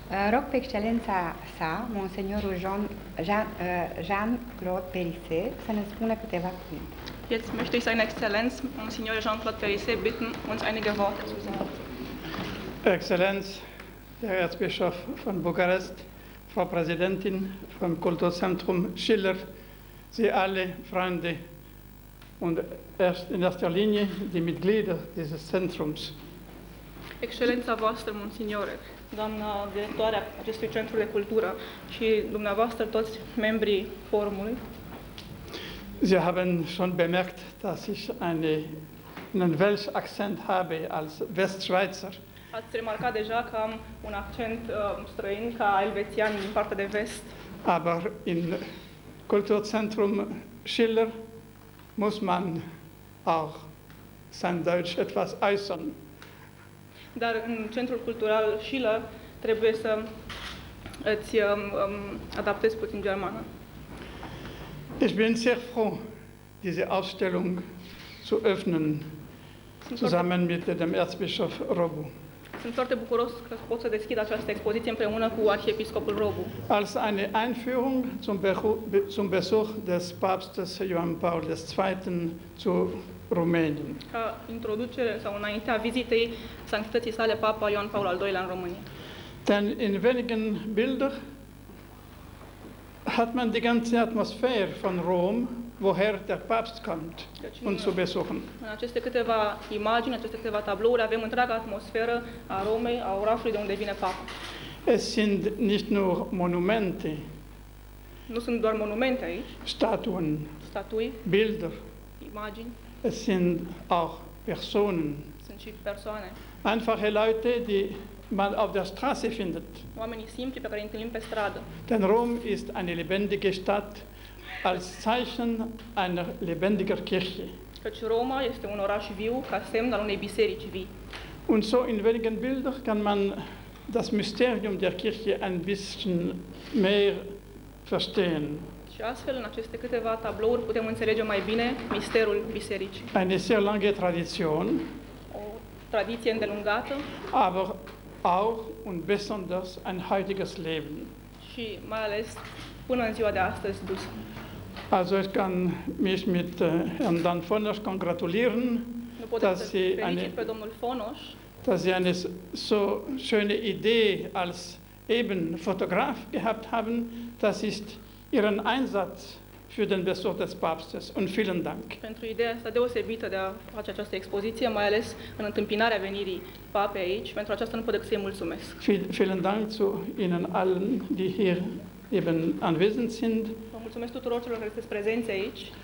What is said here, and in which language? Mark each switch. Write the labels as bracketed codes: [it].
[ro] Rog pe excelența sa, Monseniorul Jean-Claude Perisset, să ne spună câteva cuvinte. [de] Jetzt möchte ich seine Exzellenz, Monseigneur Jean-Claude Perisset, bitten, uns einige Worte zu sagen. Exzellenz, der Erzbischof von Bukarest, Frau Präsidentin vom Kulturzentrum Schiller, Sie alle Freunde und in erster Linie die Mitglieder dieses Zentrums. [ro] Excelența voastră, Monsignore, doamna directoarea acestui centru de cultură și dumneavoastră, toți membrii forumului. [de] Sie haben schon bemerkt, dass ich einen Welsh Akzent habe als Westschweizer. [ro] Ați remarcat deja că am un accent străin ca elvețian din partea de vest. [de] Aber in Kulturzentrum Schiller muss man auch sein Deutsch etwas äußern. [ro] Dar în centrul cultural Schiller trebuie să îți adaptezi puțin germană. [de] Ich bin sehr froh, diese Ausstellung zu öffnen, zusammen mit dem Erzbischof Robu. [ro] Sunt foarte bucuros că pot să deschid această expoziție împreună cu Arhiepiscopul Robu. [de] Als eine Einführung zum Besuch des Papstes Ioan Paul II. Zu Rumänien. [ro] Ca introducere sau înaintea vizitei Sanctității sale Papa Ioan Paul al II-lea în România. [de] Denn in wenigen Bildern hat man die ganze Atmosphäre von Rom woher der Papst kommt, deci, und zu besuchen. [ro] În aceste câteva imagini, aceste câteva tablouri, avem întreaga atmosferă a Romei, a orașului de unde vine Papa. [de] Es sind nicht nur Monumente. [ro] Nu sunt doar monumente aici. [de] Statuen. [ro] Statui. [de] Bilder. [ro] Imagini. [de] Es sind auch Personen. [ro] Sunt și persoane. [de] Einfache Leute, die man auf der Straße findet. [ro] Oamenii simpli pe care îi întâlnim pe stradă. [de] Denn Rom ist eine lebendige Stadt als Zeichen einer lebendigen Kirche. [ro] Căci Roma este un oraș viu ca semn al unei biserici vii. [de] Und so in wenigen Bildern kann man das Mysterium der Kirche ein bisschen mehr verstehen. [ro] Și astfel, în aceste câteva tablouri, putem înțelege mai bine misterul bisericii. [de] Eine sehr lange Tradition. [ro] O tradiție îndelungată. [de] Aber auch und besonders ein heutiges Leben. [ro] Și mai ales până în ziua de astăzi dus. [de] Also ich kann mich mit Herrn Dan Fonos congratulieren, dass Sie eine so schöne Idee als eben Fotograf gehabt haben. Das ist Ihren Einsatz für den Besuch des Papstes. Und vielen Dank. [ro] Pentru ideea asta deosebită de a face această expoziție, mai ales în întâmpinarea venirii Papei aici, pentru aceasta nu pot decât să-i mulțumesc. [de] Vielen Dank zu Ihnen allen, die hier eben anwesend sind. [ro] Vă mulțumesc tuturor celor care sunteți prezenți aici.